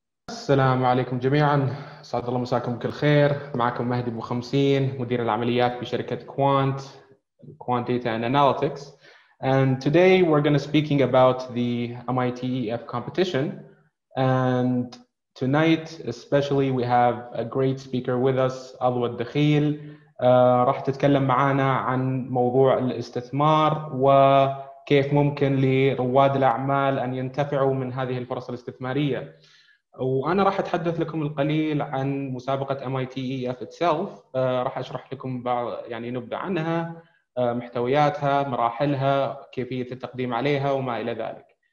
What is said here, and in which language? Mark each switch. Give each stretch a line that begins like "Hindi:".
Arabic: السلام عليكم جميعاً، سعد الله مساكم بكل خير. معكم مهدي أبو خمسين، مدير العمليات بشركة كوانت، كوانت داتا and analytics.
English: And today we're going to speaking about the MITEF competition. And tonight, especially, we have a great speaker with us, Adwa Aldakheel.
Arabic: راح تتكلم معنا عن موضوع الاستثمار وكيف ممكن لرواد الأعمال أن ينتفعوا من هذه الفرص الاستثمارية. وأنا راح أتحدث لكم القليل عن مسابقة MITEF itself. راح أشرح لكم بعض يعني نبدأ عنها، محتوياتها، مراحلها، كيفية التقديم عليها وما إلى ذلك.